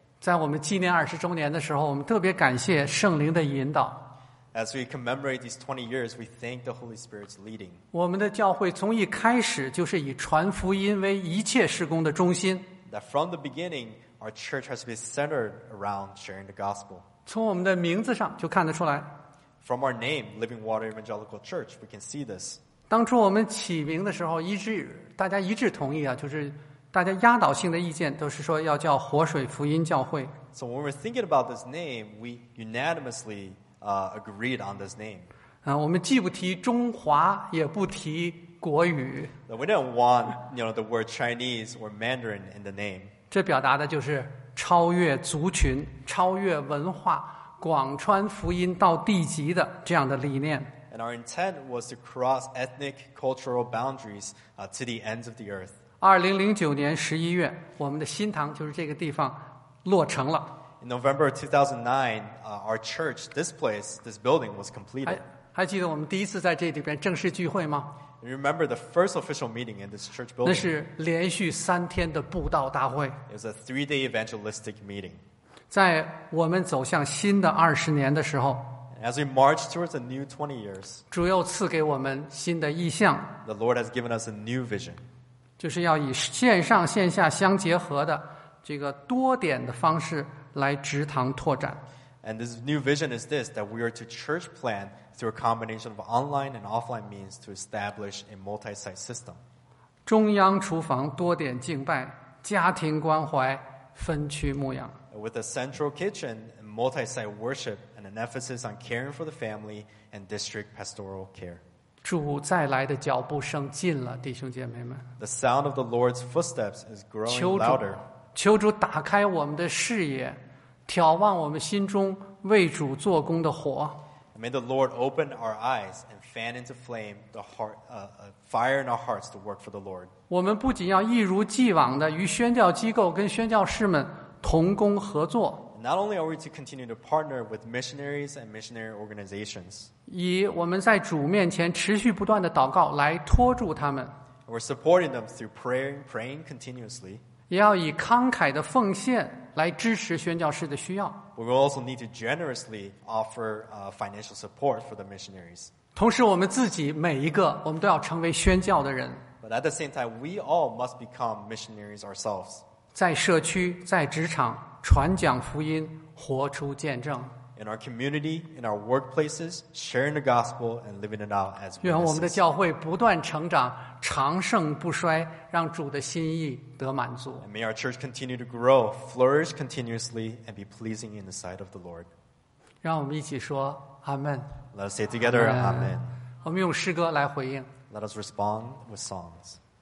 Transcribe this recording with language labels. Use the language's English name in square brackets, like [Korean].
[Chinese] 在我们纪念20周年的时候，我们特别感谢圣灵的引导。 [English] As we commemorate these 20 years, we thank the Holy Spirit's leading. [Chinese] 我们的教会从一开始就是以传福音为一切事工的中心。 [English] That from the beginning, our church has been centered around sharing the gospel. [Chinese] 从我们的名字上就看得出来。 [English] From our name, Living Water Evangelical Church, we can see this. [Chinese] 当初我们起名的时候，大家一致同意啊，就是大家压倒性的意见都是说要叫活水福音教会。 [English] So when we're thinking about this name, we unanimously agreed on this name. [Chinese] 我们既不提中华，也不提国语。 [English] We don't want, you know, the word Chinese or Mandarin in the name. [Chinese] 这表达的就是超越族群、超越文化、广传福音到地极的这样的理念。 [English] And our intent was to cross ethnic cultural boundries to the ends of the earth. [Chinese] 2009年11月，我们的新堂就是这个地方落成了。 [English] In November 2009, our church, this place, this building was completed. [Chinese] 还记得我们第一次在这里边正式聚会吗？ [English] You remember the first official meeting in this church building? [Chinese] 那是连续3天的布道大会。 [English] It was a 3-day evangelistic meeting. [Chinese] 在我们走向新的20年的时候， [English] As we march towards a new 20 years, [Chinese] 主又赐给我们新的意象。 [English] The Lord has given us a new vision. [Chinese] 就是要以线上线下相结合的这个多点的方式来职堂拓展。 [English] And this new vision is this, that we are to church plan through a combination of online and offline means to establish a multi-site system. [Chinese] 中央厨房多点敬拜家庭关怀分区牧养。 [English] With a central kitchen and multi-site worship and an emphasis on caring for the family and district pastoral care. [Chinese] 主再来的脚步声近了弟兄姐妹们。 [English] The sound of the Lord's footsteps is growing louder. [Chinese] 求主打开我们的视野，眺望我们心中为主做工的火。 [English] May the Lord open our eyes and fan into flame the heart, fire in our hearts to work for the Lord. [Chinese] 我们不仅要一如既往的与宣教机构跟宣教士们同工合作。 [English] Not only are we to continue to partner with missionaries and missionary organizations. [Chinese] 以我们在主面前持续不断的祷告来托住他们。 [English] We're supporting them through praying continuously. [Chinese] 也要以慷慨的奉献来支持宣教士的需要。 [English] We will also need to generously offer financial support for the missionaries. [Chinese] 同时我们自己每一个我们都要成为宣教的人。 [English] But at the same time, we all must become missionaries ourselves. [Chinese] 在社区在职场传讲福音活出见证。 [English] In our community, in our workplaces, sharing the gospel and living it out as witnesses. [Chinese] 愿我们的教会不断成长，长盛不衰，让主的心意得满足。 [English] And may our church continue to grow, flourish continuously, and be pleasing in the sight of the Lord. [Chinese] 让我们一起说阿门。 [English] Let's say together, Amen. [Chinese] 我们用诗歌来回应。 [English] Let us respond with songs.